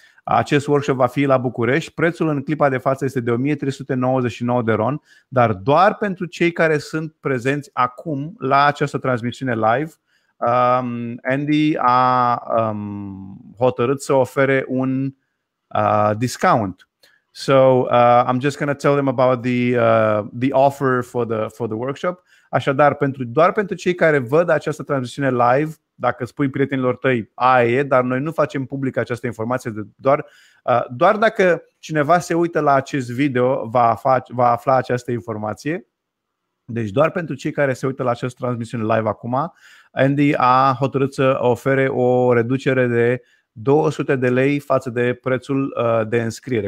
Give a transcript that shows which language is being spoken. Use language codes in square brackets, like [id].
[ro] Acest workshop va fi la București. Prețul în clipa de față este de 1399 de RON, dar doar pentru cei care sunt prezenți acum la această transmisiune live, Andy a hotărât să ofere un discount. [en] So I'm just going to tell them about the offer for the workshop. [ro] Așadar, doar pentru cei care văd această transmisiune live, dacă spui prietenilor tăi, aia e, dar noi nu facem public această informație, doar dacă cineva se uită la acest video va afla această informație. Deci doar pentru cei care se uită la această transmisiune live acum, Andy a hotărât să ofere o reducere de 200 de lei față de prețul de înscriere.